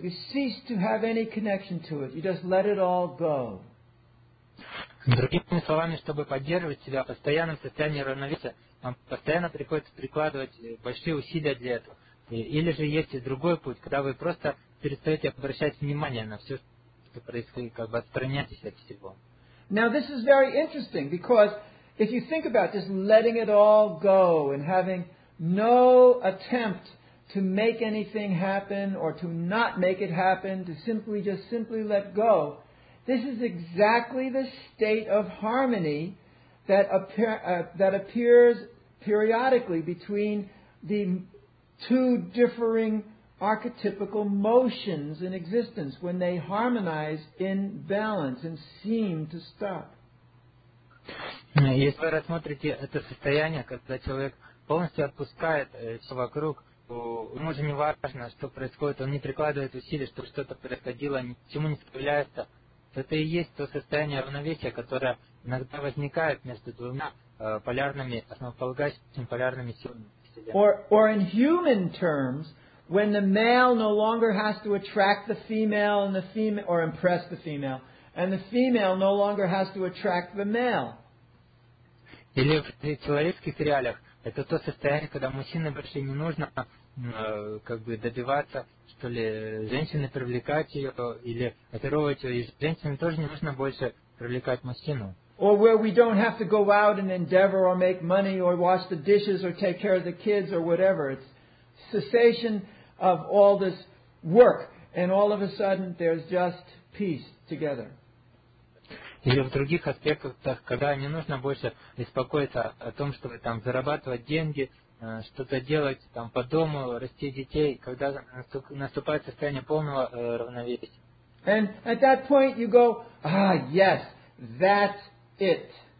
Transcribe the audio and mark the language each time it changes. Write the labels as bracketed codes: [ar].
[en] You cease to have any connection to it. You just let it all go. [ru] Другими словами, чтобы поддерживать себя в постоянном состоянии равновесия, вам постоянно приходится прикладывать большие усилия для этого. Или же есть и другой путь, когда вы просто перестаете обращать внимание на все, что происходит, как бы отстраняетесь от всего. [en] Now this is very interesting, because if you think about just letting it all go and having no attempt to make anything happen or to not make it happen, to simply let go, this is exactly the state of harmony that appears periodically between the two differing archetypical motions in existence when they harmonize in balance and seem to stop. [ru] Если вы рассмотрите это состояние, когда человек полностью отпускает все вокруг, ему же не важно, что происходит, он не прикладывает усилий, чтобы что-то происходило, ничему не справляется. Это и есть то состояние равновесия, которое иногда возникает между двумя полярными, основополагающими полярными силами. [en] Or in human terms, when the male no longer has to attract the female and the female, or impress the female, and the female no longer has to attract the male. [ru] Или в человеческих реалиях это то состояние, когда мужчине больше не нужно добиваться, что ли, женщины привлекать ее или оперировать ее, и женщине тоже не нужно больше привлекать мужчину. [en] Or where we don't have to go out and endeavor or make money or wash the dishes or take care of the kids or whatever. It's cessation of all this work, and all of a sudden there's just peace together. [ru] Или в других аспектах, когда не нужно больше беспокоиться о том, чтобы там зарабатывать деньги, что-то делать там по дому, расти детей, когда наступает состояние полного равновесия. [en] And at that point you go, ah, yes, that's it.